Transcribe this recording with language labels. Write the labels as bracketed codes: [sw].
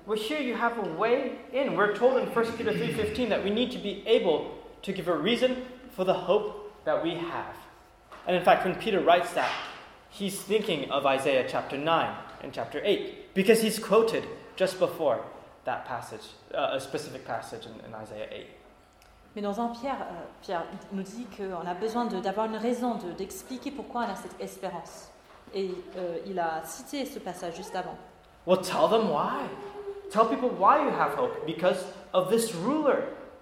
[en] Well, here you have a way in. We're told in 1 Peter 3:15 that we need to be able to give a reason for the hope that we have. And in fact, when Peter writes that, he's thinking of Isaiah chapter 9 and chapter 8, because he's quoted just before that passage, a specific passage in Isaiah 8. [fr] Mais dans 1 Pierre, Pierre nous dit qu'on a besoin d'avoir une raison, d'expliquer pourquoi on a cette espérance. Et il a cité ce passage juste avant. [en] Well, tell them why. Tell people why you have hope, because of this ruler.